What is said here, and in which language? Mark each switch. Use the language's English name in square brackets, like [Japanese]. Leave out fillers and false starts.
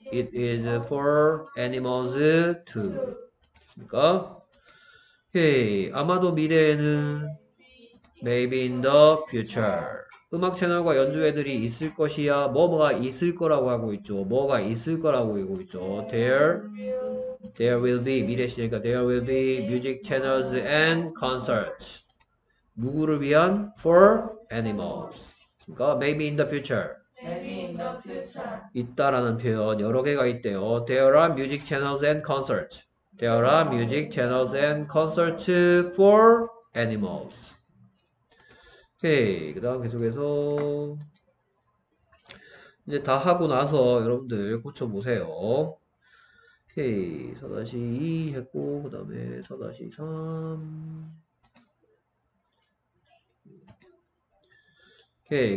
[English] It is for animals too. [Korean] 그렇습니까? 헤이, 아마도 미래에는 [English] maybe in the future. [Korean] 음악 채널과 연주 애들이 있을 것이야. 뭐뭐가 있을 거라고 하고 있죠. 뭐가 있을 거라고 하고 있죠. [English] There will be [Korean] 미래 시제니까 [English] there will be music channels and concerts. [Korean] 누구를 위한? [English] For animals. [Korean] 그러니까 [English] maybe in the future. Maybe in the future. [Korean] 있다라는 표현 여러 개가 있대요. [English] There are music channels and concerts. There are music channels and concerts for animals. [Korean] 오케이. 그 다음 계속해서 이제 다 하고 나서 여러분들 고쳐보세요. 오케이. 4-2 했고 그 다음에 4-3 오케이.